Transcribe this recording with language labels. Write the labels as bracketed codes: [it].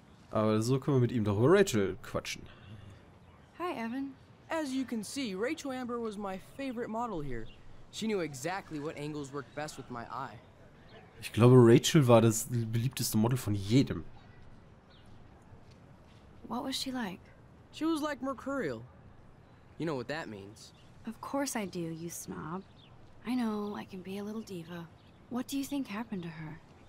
[de] Aber so können wir mit ihm doch über Rachel quatschen. [en] Hi, Evan. As you can see, Rachel Amber was my favorite model here. She knew exactly what angles worked best with my eye. [de] Ich glaube, Rachel war das beliebteste Model von jedem. [en] What was she like? She was like mercurial. You know what that means. Of course I do, you snob. I know, I can be a little diva. What do you think happened to her?